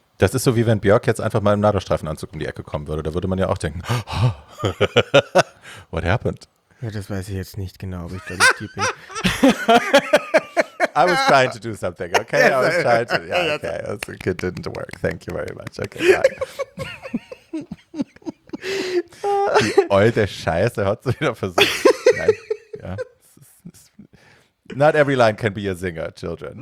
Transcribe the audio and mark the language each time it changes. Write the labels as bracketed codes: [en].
[de] Das ist so, wie wenn Björk jetzt einfach mal im Nadelstreifenanzug um die Ecke kommen würde. Da würde man ja auch denken, [en] what happened? [de] Ja, das weiß ich jetzt nicht genau, ob ich da nicht bin. [en] I was trying to do something, okay? Yes, I was trying to, yeah, okay. Yes. It didn't work. Thank you very much. Okay, bye. [de] Die alte Scheiße hat es wieder versucht. Nein. Ja. [en] Not every line can be a singer, children.